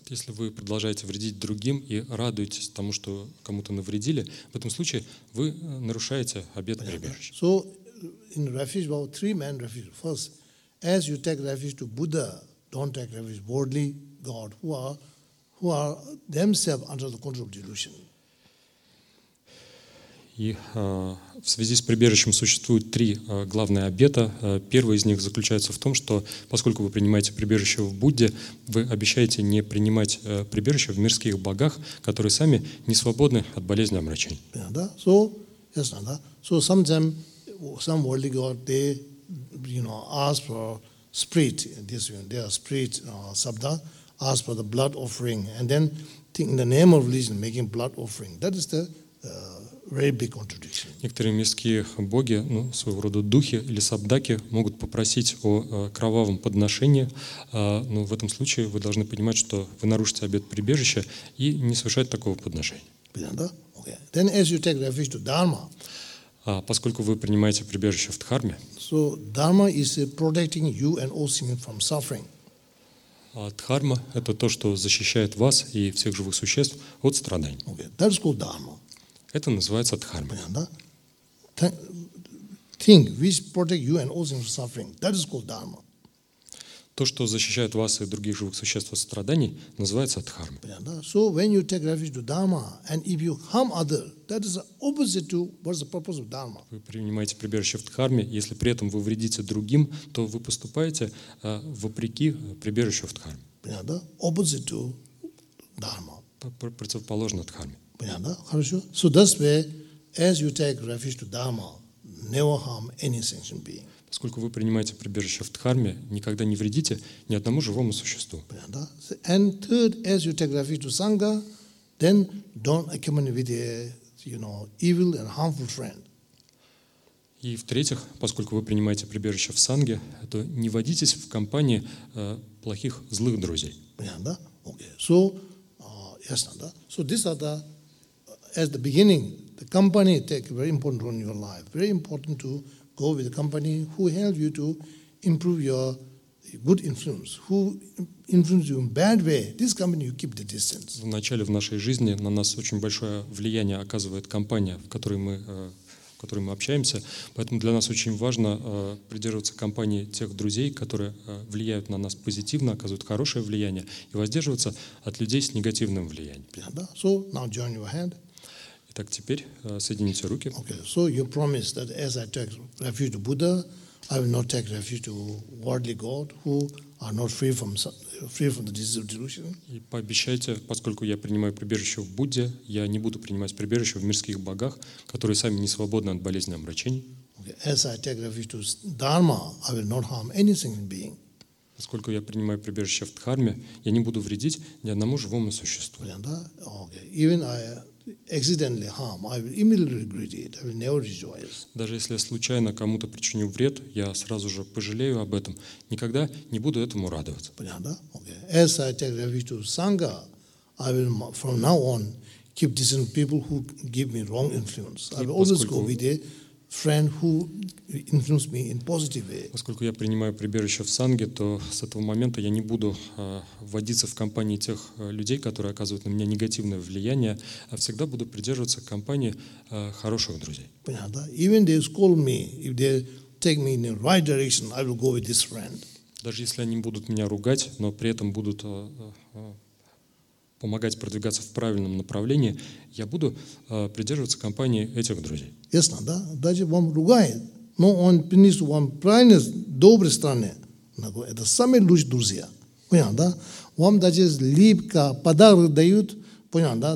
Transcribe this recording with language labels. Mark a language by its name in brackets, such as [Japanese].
[Russian] Если вы продолжаете вредить другим и радуетесь тому, что кому-то навредили, в этом случае вы нарушаете обет прибежища. [English] So in refuge wall, three main refuge. First, as you take refuge to Buddha, don't take refuge worldly God who are themselves under the control of delusion. [Russian] И в связи с прибежищем существуют три главные обета. Первый из них заключается в том, что поскольку вы принимаете прибежище в Будде, вы обещаете не принимать прибежище в мирских богах, которые сами не свободны от болезни и омрачений. [English] Yeah, да? So, yes, да? So sometimes some worldly god, they, you know, ask for spirit, this one, their spirit, sabda, ask for the blood offering, and then think in the name of religion, making blood offering. That is the very big contradiction. [Russian] Некоторые мирские боги, ну, своего рода духи или сабдаки, могут попросить о кровавом подношении, но в этом случае вы должны понимать, что вы нарушите обет прибежища и не совершать такого подношения. [English] Да? Okay. Then as you take refuge to Dharma, [Russian] поскольку вы принимаете прибежище в Дхарме, [English] so Dharma is protecting you and all seeing from suffering. [Russian] Дхарма – это то, что защищает вас и всех живых существ от страданий. [English] Okay. That's called Dharma. [Russian] Это называется дхарма. [English] Yeah, да? Thing which protects you and all things from suffering, that is called dharma. [Russian] То, что защищает вас и других живых существ от страданий, называется дхарма. [English] Yeah, да? So when you take refuge to dharma, and if you harm other, that is opposite to what's the purpose of dharma. [Russian] Вы принимаете прибежище в дхарме, если при этом вы вредите другим, то вы поступаете вопреки прибежищу в дхарме. [English] Yeah, да? Opposite to dharma. [Russian] Противоположно дхарме. Понятно? Хорошо. [English] So that's where, as you take refuge to Dharma, never harm any sentient being. [Russian] Поскольку вы принимаете прибежище в Дхарме, никогда не вредите ни одному живому существу. Понятно? [English] And third, as you take refuge to Sangha, then don't accompany with a, you know, evil and harmful friend. [Russian] И в-третьих, поскольку вы принимаете прибежище в Санге, то не водитесь в компании плохих, злых друзей. Понятно? Okay. So, ясно, да? [English] So these are the as the beginning, the company takes a very important role in your life. Very important to go with the company who help you to improve your good influence. Who influence you in bad way? This company you keep the distance. [Russian] В начале в нашей жизни на нас очень большое влияние оказывает компания, в которой мы общаемся. Поэтому для нас очень важно придерживаться компании тех друзей, которые влияют на нас позитивно, оказывают хорошее влияние, и воздерживаться от людей с негативным влиянием. [English] Yeah, да? So now join your hand. [Russian] Итак, теперь соедините руки. [English] Okay, so you promise that as I take refuge to Buddha, I will not take refuge to worldly god who are not free from the disease of delusion. [Russian] И пообещайте, поскольку я принимаю прибежище в Будде, я не буду принимать прибежище в мирских богах, которые сами не свободны от болезни и омрачений. [English] Okay, as I take refuge to Dharma, I will not harm any sentient being. [Russian] Поскольку я принимаю прибежище в Дхарме, я не буду вредить ни одному живому существу. [English] Yeah, да? Okay. Even I accidentally harm, I will immediately regret it. I will never rejoice. [Russian] Даже если я случайно кому-то причиню вред, я сразу же пожалею об этом. Никогда не буду этому радоваться. Понятно, да? Okay. [English] As I take refuge to Sangha, I will from now on keep distance from people who give me wrong influence. I will always go with a friend who influence me in positive way. [Russian] Поскольку я принимаю прибежище в Санге, то с этого момента я не буду вводиться в компании тех людей, которые оказывают на меня негативное влияние, а всегда буду придерживаться компании хороших друзей. Понятно, да? [English] Even they scold me, if they take me in the right direction, I will go with this friend. [Russian] Даже если они будут меня ругать, но при этом будут помогать продвигаться в правильном направлении, я буду придерживаться компании этих друзей. Ясно, да? Даже вам ругает, но он принес вам правильно, с доброй стороны. Это самые лучшие друзья. Понятно, да? Вам даже липко подарок дают, понятно, да?